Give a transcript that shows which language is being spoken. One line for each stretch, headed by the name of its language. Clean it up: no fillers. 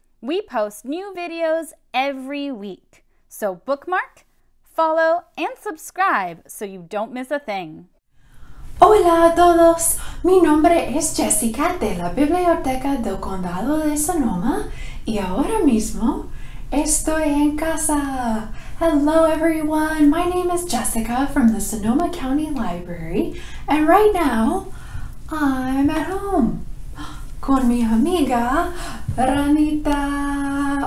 English: We post new videos every week, so bookmark, follow, and subscribe so you don't miss a thing.
Spanish: Hola a todos! Mi nombre es Jessica de la Biblioteca del Condado de Sonoma, y ahora mismo estoy en casa.
English: Hello everyone! My name is Jessica from the Sonoma County Library, and right now, I'm at home
Spanish: con mi amiga Ranita.